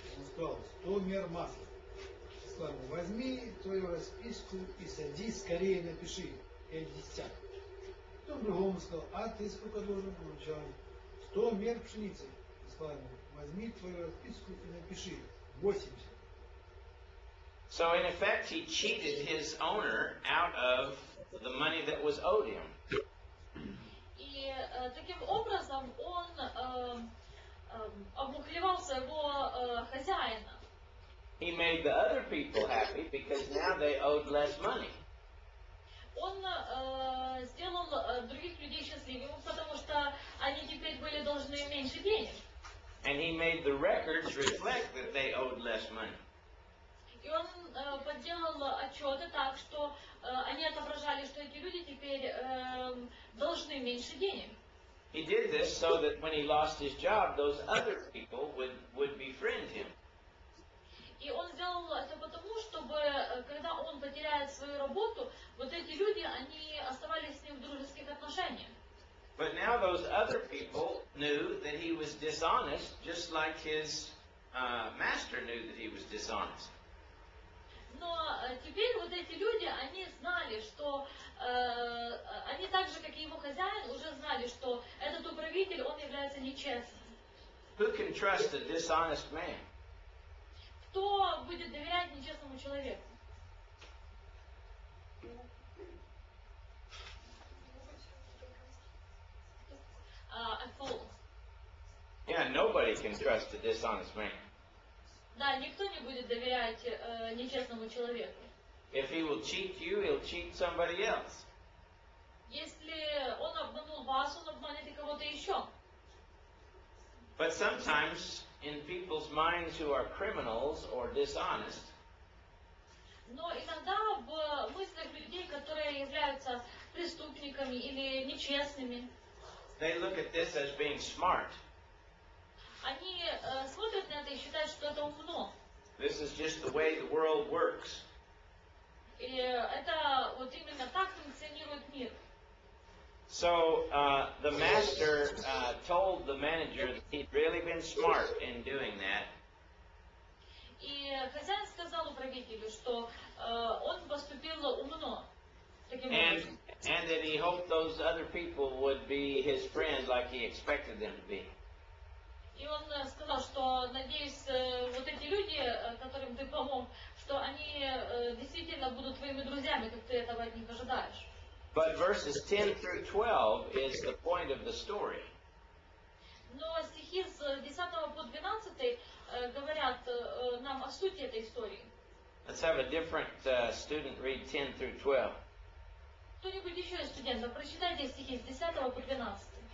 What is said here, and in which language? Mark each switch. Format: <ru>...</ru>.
<ru>Он сказал, 100 мер масла. Сказал, возьми твою расписку и садись скорее, напиши, 50. Потом другому сказал, а ты сколько должен? Он сказал, 100 мер пшеницы. Сказал, возьми твою расписку и напиши, 80.</ru> <en>So in effect, he cheated his owner out of the money that was owed him.</en> <ru>И таким образом он обмухлевал своего хозяина.</ru> <en>He made the other people happy because now they owed less money.</en> <ru>Он сделал других людей счастливыми, потому что они теперь были должны меньше денег.</ru> <en>And he made the records reflect that they owed less money.</en> <ru>И он подделал отчеты так, что они отображали, что эти люди теперь должны меньше денег.</ru> <en>He did this so that when he lost his job, those other people would befriend him.</en> <ru>И он сделал это потому, чтобы когда он потеряет свою работу, вот эти люди, они оставались с ним в дружеских отношениях.</ru> <en>But now those other people knew that he was dishonest, just like his master knew that he was dishonest.</en> <ru>Но теперь вот эти люди, они знали, что они так же, как и его хозяин, уже знали, что этот управитель, он является нечестным.</ru> <en>Who can trust a dishonest man?</en> <ru>Кто будет доверять нечестному человеку?</ru> <en>A fool. Yeah, nobody can trust a dishonest man.</en> <ru>Да, никто не будет доверять нечестному человеку.</ru> <en>If he will cheat you, he'll cheat somebody else.</en> <ru>Если он обманул вас, он обманет и кого-то еще.</ru> <en>But sometimes in people's minds who are criminals or dishonest.</en> <ru>Но иногда в мыслях людей, которые являются преступниками или нечестными.</ru> <en>They look at this as being smart.</en> <ru>Они смотрят на это и считают, что это умно.</ru> <en>This is just the way the world works.</en> <ru>И это вот именно так функционирует мир.</ru> <en>So the master told the manager that he'd really been smart in doing that.</en> <ru>И хозяин сказал управителю, что он поступил умно.</ru> <en>And that he hoped those other people would be his friend like he expected them to be.</en> <ru>И он сказал, что надеюсь, вот эти люди, которым ты помог, что они действительно будут твоими друзьями, как ты этого от них ожидаешь.</ru> <en>But verses 10 through 12 is the point of the story.</en> <ru>Но стихи с 10 по 12 говорят нам о сути этой истории.</ru> <en>Let's have a different student read 10 through 12.</en> <ru>Кто-нибудь еще из студентов, прочитайте стихи с 10 по 12.</ru>